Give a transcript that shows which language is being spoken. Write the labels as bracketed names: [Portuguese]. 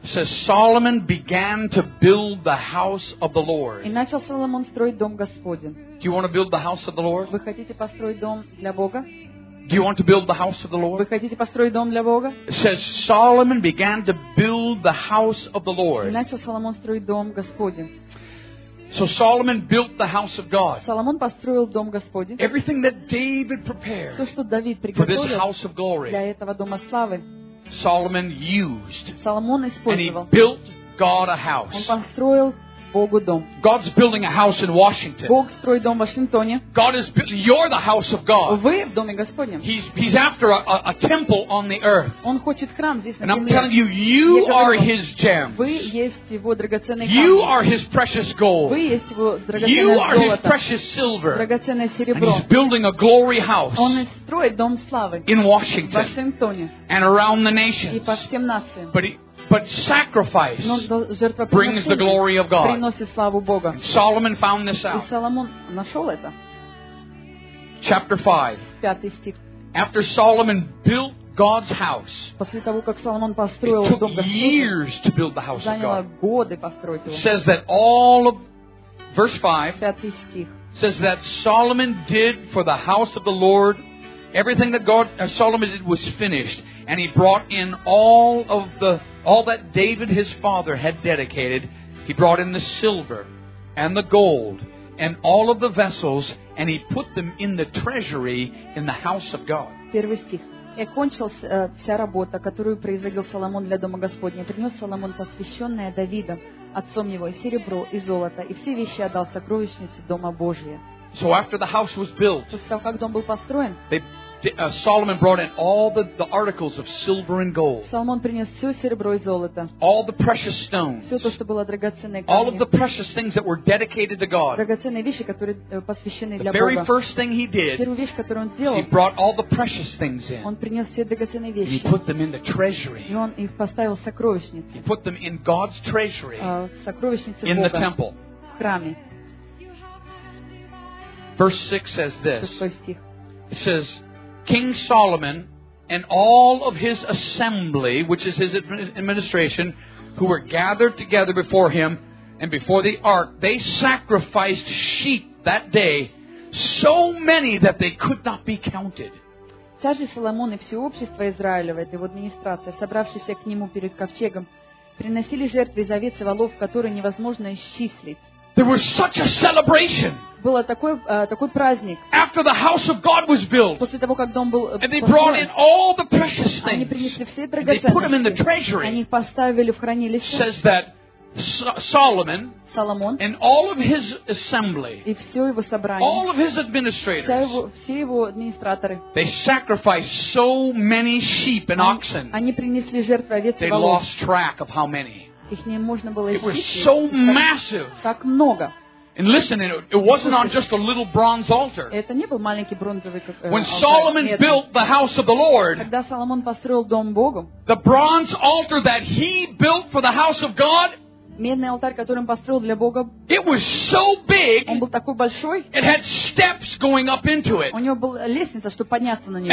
[English] Says Solomon began to build the house of the Lord. [Russian] И начал Соломон строить дом Господень. [English] Do you want to build the house of the Lord? [Russian] Вы хотите построить дом для Бога? [English] Do you want to build the house of the Lord? [Russian] Вы хотите построить дом для Бога? [English] It says Solomon began to build the house of the Lord. [Russian] И начал Соломон строить дом Господень. [English] So Solomon built the house of God. [Russian] Соломон построил дом Господень. [English] Everything that David prepared. [Russian] Все, что Давид приготовил [English] for this house of glory. [Russian] Для этого дома славы. [English] Solomon used. [Russian] Соломон использовал. [English] And he built God a house. [Russian] Он построил Богу дом. [English] God's building a house in Washington. [Russian] Бог строит дом в Вашингтоне. [English] God is building. You're the house of God. [Russian] Вы в доме Господнем. [English] He's after a temple on the earth. [Russian] Он хочет храм здесь на земле. [English] And I'm telling you, you are His gems. [Russian] Вы есть его драгоценный камень. [English] You are His precious gold. [Russian] Вы есть его драгоценное [English] you [Russian] золото. [English] You are His precious silver. [Russian] Драгоценное серебро. [English] And He's building a glory house. [Russian] Он строит дом славы. [English] In Washington. [Russian] В Вашингтоне. [English] And around the nations. [Russian] И по всем нациям. [English] But sacrifice brings the glory of God. [Russian] Приносит славу Бога. [English] Solomon found this out. [Russian] И Соломон нашел это. [English] Chapter 5. [Russian] Пятый стих. [English] After Solomon built God's house. [Russian] После того как Соломон построил дом Господень. [English] Years to build the house of God. [Russian] Заняло годы построить его. [English] Says that all of verse 5. [Russian] Пятый стих. [English] Says that Solomon did for the house of the Lord everything that God Solomon did was finished. And he brought in all that David his father had dedicated. He brought in the silver and the gold and all of the vessels, and he put them in the treasury in the house of God. [Russian] Первый стих. И кончилась вся работа, которую произвел Соломон для дома Господня. Принес Соломон посвященное Давида, отцом его, и серебро, и золото, и все вещи отдал сокровищнице дома Божия. [English] So after the house was built, [Russian] после того как дом был построен, [English] Solomon brought in all the articles of silver and gold. [Russian] Соломон принес все серебро и золото. [English] All the precious stones. [Russian] Все то, что было драгоценное. [English] All of the precious things that were dedicated to God. [Russian] Драгоценные вещи, которые посвящены для Бога. [English] The very first thing he did. [Russian] Первую вещь, которую он сделал. [English] He brought all the precious things in. [Russian] Он принес все драгоценные вещи. [English] He put them in the treasury. [Russian] И он их поставил в сокровищницу. [English] He put them in God's treasury. [Russian] В сокровищнице Бога. [English] In the temple. [Russian] В храме. [English] Verse 6 says this. [Russian] Шестой стих. [English] It says King Solomon and all of his assembly, which is his administration, who were gathered together before him and before the ark, they sacrificed sheep that day, so many that they could not be counted. [Russian] Царь же Соломон и все общество Израилево, его администрация, собравшиеся к нему перед ковчегом, приносили жертвы из овец и волов, которые невозможно исчислить. [English] There was such a celebration. [Russian] Было такой праздник. [English] After the house of God was built. [Russian] После того как дом был построен. [English] And they brought in all the precious things. [Russian] Они принесли все драгоценности. [English] They put them in the treasury. [Russian] Они поставили в хранилище. [English] Says that Solomon. [Russian] Соломон. [English] And all of his assembly. [Russian] И все его собрание. [English] All of his administrators. [Russian] Все его администраторы. [English] They sacrificed so many sheep and oxen. [Russian] Они принесли жертвы овец и волов. [English] They lost track of how many. [Russian] Их не можно было исчислить. [English] It was so massive. [Russian] Так много. [English] And listen, it wasn't on just a little bronze altar. [Russian] Это не был маленький бронзовый алтарь. [English] When Solomon built the house of the Lord. [Russian] Когда Соломон построил дом Богу. [English] The bronze altar that he built for the house of God. [Russian] Медный алтарь, который он построил для Бога. [English] It was so big. [Russian] Он был такой большой. [English] It had steps going up into it. [Russian] У него была лестница, чтобы подняться на него.